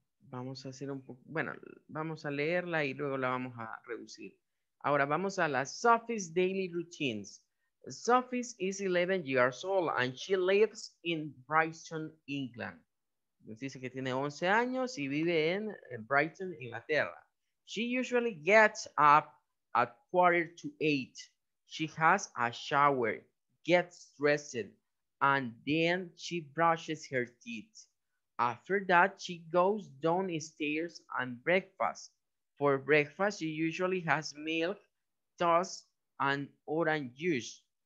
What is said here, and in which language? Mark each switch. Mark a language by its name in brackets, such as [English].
[Spanish] Vamos a hacer un poco, bueno, vamos a leerla y luego la vamos a reducir. Ahora vamos a las [English] Sophie's daily routines. Sophie is 11 years old and she lives in Brighton, England. [Spanish] Nos dice que tiene 11 años y vive en Brighton, Inglaterra. [English] She usually gets up at 7:45. She has a shower, gets dressed, and then she brushes her teeth. After that, she goes downstairs and breakfast. For breakfast, she usually has milk, toast, and orange juice.